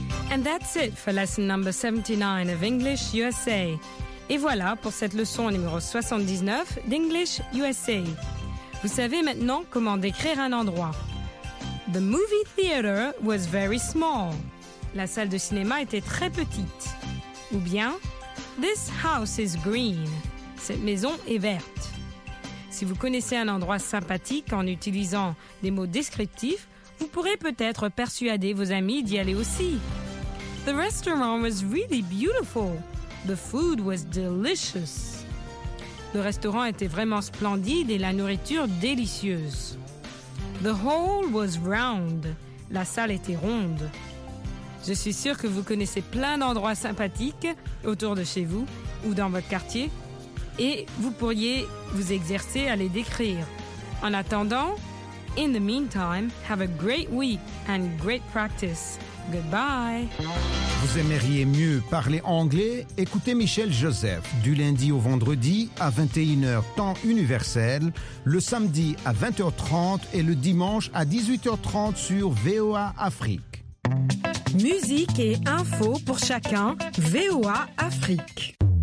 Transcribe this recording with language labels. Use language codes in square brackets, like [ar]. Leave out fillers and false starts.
[en] And that's it for lesson number 79 of English USA. [fr] Et voilà pour cette leçon numéro 79 d'English USA. Vous savez maintenant comment décrire un endroit. [en] The movie theater was very small. [fr] La salle de cinéma était très petite. Ou bien, this house is green. Cette maison est verte. Si vous connaissez un endroit sympathique en utilisant des mots descriptifs, vous pourrez peut-être persuader vos amis d'y aller aussi. [en] The restaurant was really beautiful. The food was delicious. [fr] Le restaurant était vraiment splendide et la nourriture délicieuse. [en] The hall was round. La salle était ronde. [fr] Je suis sûre que vous connaissez plein d'endroits sympathiques autour de chez vous ou dans votre quartier et vous pourriez vous exercer à les décrire. [en] En attendant, in the meantime, have a great week and great practice. Goodbye. [fr] Vous aimeriez mieux parler anglais? Écoutez Michel Joseph du lundi au vendredi à 21h temps universel, le samedi à 20h30 et le dimanche à 18h30 sur VOA Afrique. Musique et infos pour chacun, VOA Afrique.